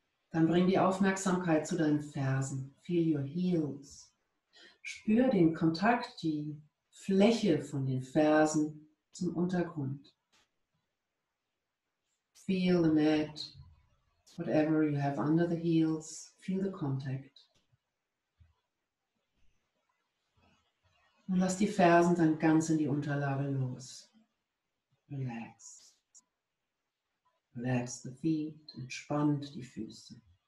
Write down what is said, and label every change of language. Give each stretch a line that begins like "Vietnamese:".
German: Dann bring die Aufmerksamkeit zu deinen Fersen.
English: Feel your heels.
German: Spür den Kontakt, die Fläche von den Fersen zum Untergrund.
English: Feel the mat. Whatever you have under the heels, feel the contact.
German: Und lass die Fersen dann ganz in die Unterlage los.
English: Relax. Relax the feet,
German: entspannt die Füße.